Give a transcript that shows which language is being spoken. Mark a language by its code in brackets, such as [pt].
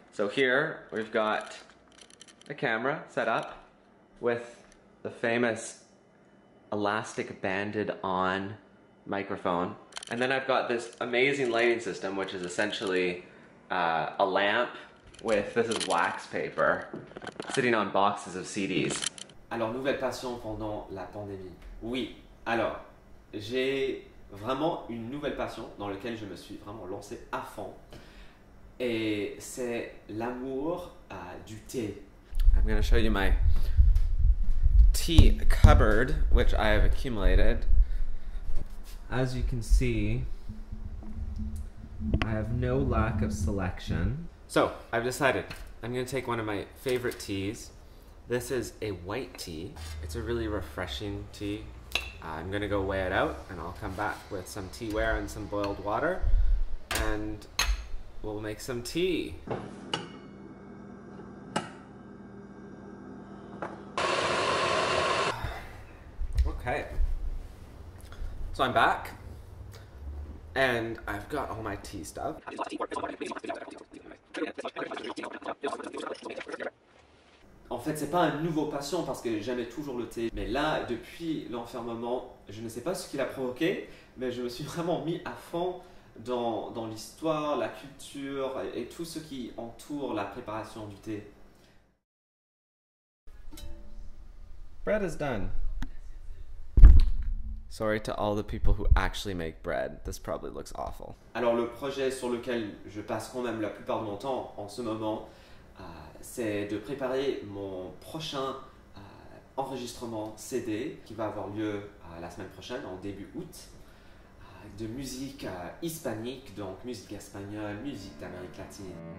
[en] So here we've got a camera set up with the famous elastic banded on microphone. And then I've got this amazing lighting system, which is essentially a lamp with, this is wax paper, sitting on boxes of CDs. [fr] Alors, nouvelle passion pendant la pandémie. Oui, alors, j'ai vraiment une nouvelle passion dans laquelle je me suis vraiment lancé à fond. Et c'est l'amour du thé. [en] I'm going to show you my tea cupboard, which I have accumulated. as you can see, I have no lack of selection. So, I've decided. I'm going to take one of my favorite teas. This is a white tea. It's a really refreshing tea. I'm going to go weigh it out, and I'll come back with some teaware and some boiled water, and we'll make some tea. Okay. So I'm back, and I've got all my tea stuff. [fr] En fait, c'est pas un nouveau patient parce que j'aimais toujours le thé. Mais là, depuis l'enfermement, je ne sais pas ce qu'il a provoqué, mais je me suis vraiment mis à fond dans l'histoire, la culture et tout ce qui entoure la préparation du thé. [en] Bread is done. Sorry to all the people who actually make bread. This probably looks awful. [fr] Alors le projet sur lequel je passe quand même la plupart de mon temps en ce moment, c'est de préparer mon prochain enregistrement CD qui va avoir lieu la semaine prochaine, en début août, de musique hispanique, donc musique espagnole, musique d'Amérique latine.